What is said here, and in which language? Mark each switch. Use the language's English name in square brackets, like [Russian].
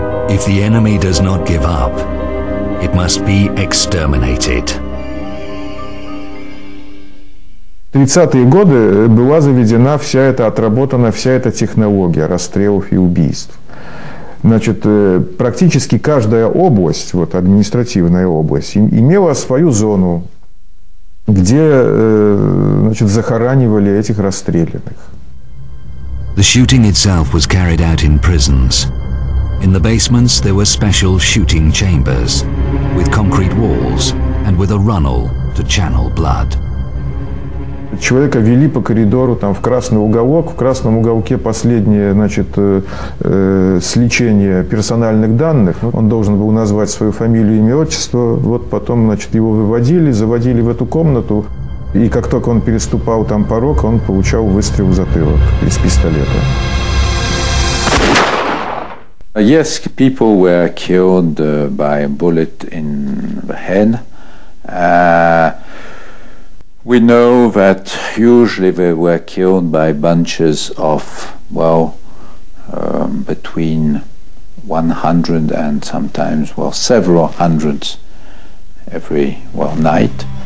[English] If the enemy does not give up, it must be exterminated. [Russian] 30-е годы была заведена вся эта отработанная вся эта технология расстрелов и убийств. Значит, практически каждая область, вот административная область, имела свою зону, где, значит, захоранивали этих расстрелянных. [English] The shooting itself was carried out in prisons. In the basements there were special shooting chambers with concrete walls and with a runnel to channel blood. [Russian] Человека вели по коридору там в красный уголок. В красном уголке последнее, значит, сличение персональных данных. Он должен был назвать свою фамилию, имя, отчество. Вот потом, значит, его выводили, заводили в эту комнату. И как только он переступал там порог, он получал выстрел в затылок из пистолета. [English] Yes, people were killed by a bullet in the head. We know that usually they were killed by bunches of, well, between 100 and sometimes, well, several hundreds every, well, night.